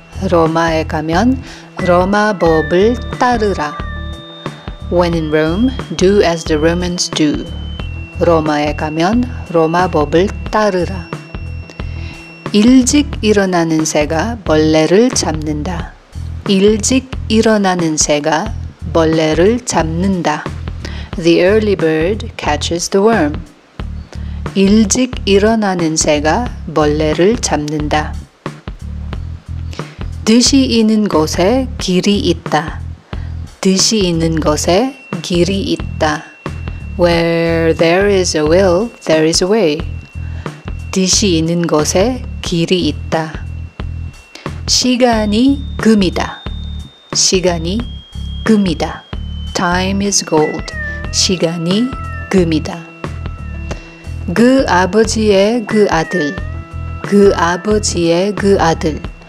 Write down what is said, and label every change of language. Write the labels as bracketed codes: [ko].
[ko] 로마에 가면 로마 법을 따르라. [en] When in Rome, do as the Romans do. [ko] 로마에 가면 로마 법을 따르라. 일찍 일어나는 새가 벌레를 잡는다. 일찍 일어나는 새가 벌레를 잡는다. [en] The early bird catches the worm. [ko] 일찍 일어나는 새가 벌레를 잡는다. 뜻이 있는 곳에 길이 있다. 뜻이 있는 곳에 길이 있다. [en] Where there is a will, there is a way. [ko] 뜻이 있는 곳에 길이 있다. 시간이 금이다. 시간이 금이다. [en] Time is gold. [ko] 시간이 금이다. 그 아버지의 그 아들. 그 아버지의 그 아들.